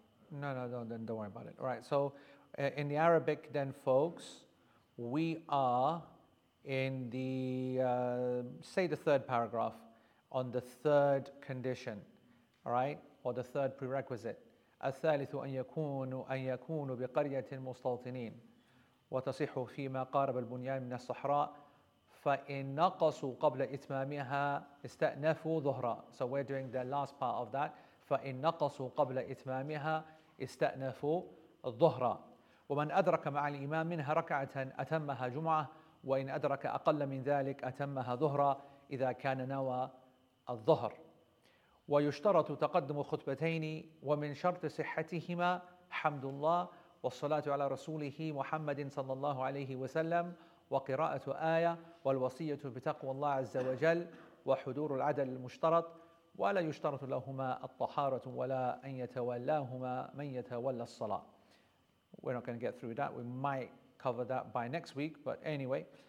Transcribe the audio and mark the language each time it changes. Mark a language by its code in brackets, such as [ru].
[en] No, don't worry about it. All right, so in the Arabic then, folks, we are in the, say the third paragraph, on the third condition, all right, or the third prerequisite. [ar] الثالث أن يكونوا بقرية مستوطنين وتصح فيما قارب البنيان من الصحراء فإن نقصوا قبل إتمامها استأنفوا ظهرا. [en] So we're doing the last part of that. [ar] فإن نقصوا قبل إتمامها استأنفوا ظهرا ومن أدرك مع الإمام منها ركعة أتمها جمعة وإن أدرك أقل من ذلك أتمها ظهرا إذا كان نوى الظهر ويشترط تقدم خطبتين ومن شرط صحتهما حمد الله والصلاة على رسوله محمد صلى الله عليه وسلم وقراءة آية والوصية بتقوى الله عز وجل وحضور العدل المشترط ولا يشترط لهما الطهارة ولا أن يتولاهما من يتولى الصلاة. [en] we're not going to get through that. We might cover that by next week, but anyway.